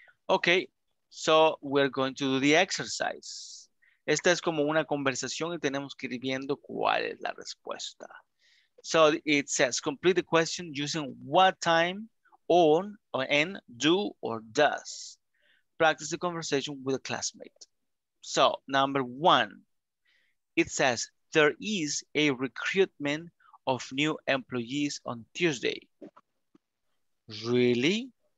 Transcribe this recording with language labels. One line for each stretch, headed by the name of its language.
English: Okay, so we're going to do the exercise.
Spanish: Esta es como una conversación y tenemos que ir viendo cuál es la respuesta.
English: So it says, complete the question using what time, on, or in, do, or does. Practice the conversation with a classmate. So, number one, it says, there is a recruitment of new employees on Tuesday. Really?